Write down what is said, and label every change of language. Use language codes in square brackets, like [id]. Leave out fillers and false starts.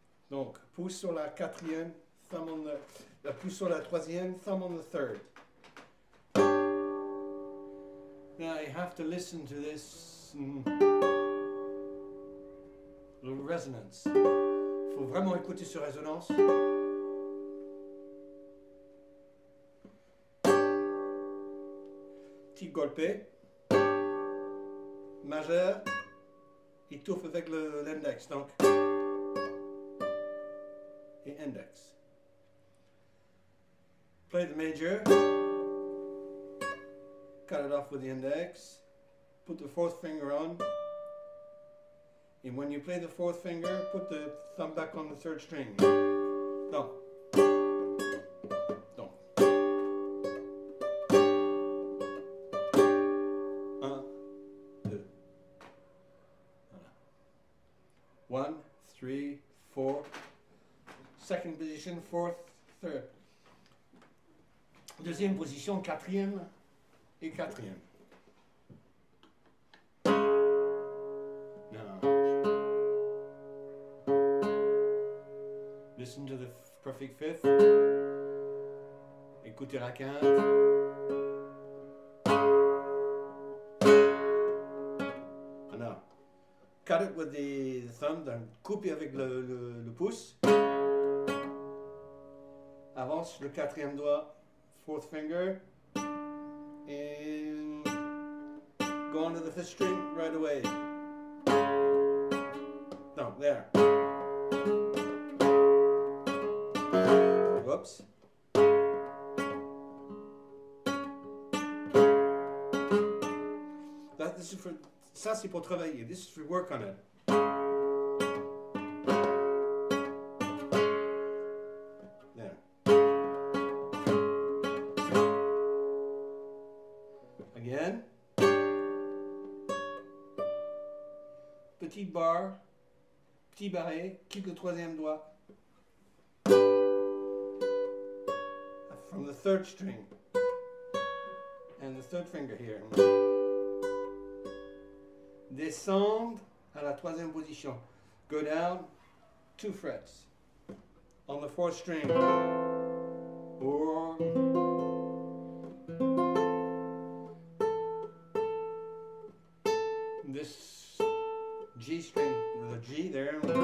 [fr] Donc, pouce sur la quatrième, [en] thumb on the... [fr] Pouce sur la troisième, [en] thumb on the third. Now, you have to listen to this... little resonance. [fr] Faut vraiment écouter sur résonance. Petit golpé. Majeur. Il touffe avec l'index, donc. Et index. [en] Play the major. Cut it off with the index. Put the fourth finger on. And when you play the fourth finger, put the thumb back on the third string. [fr] Donc. Donc. [en] One, three, four. Second position, fourth, third. [fr] Deuxième position, quatrième et quatrième. [en] Now, listen to the perfect fifth. [fr] Écoutez la quinte. [en] Cut it with the thumb, then [fr] coupe avec le pouce. Avance le quatrième doigt, [en] fourth finger. And go on to the fifth string right away. Thumb, there. Whoops. This is for... [fr] Ça, c'est pour travailler. [en] This is for work on it. There. Again. [fr] Petit bar. Petit barré. Kick le troisième doigt. [en] From the third string. And the third finger here. [fr] Descend à la troisième position. [en] Go down two frets on the fourth string. Or this G string, the G there.